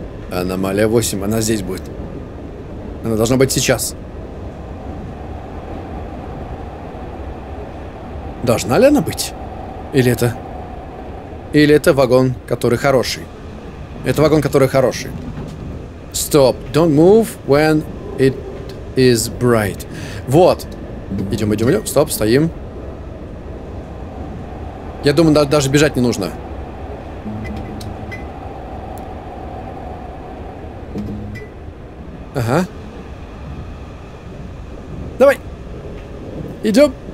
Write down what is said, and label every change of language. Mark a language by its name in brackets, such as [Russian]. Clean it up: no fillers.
[Russian] Аномалия 8, она здесь будет. Она должна быть сейчас. Должна ли она быть? Или это... Или это вагон, который хороший? Это вагон, который хороший. [English] Stop. Don't move when it is bright. [Russian] Вот. Идем, идем, идем. Стоп, стоим. Я думаю, даже бежать не нужно. Ага. Давай. Идем.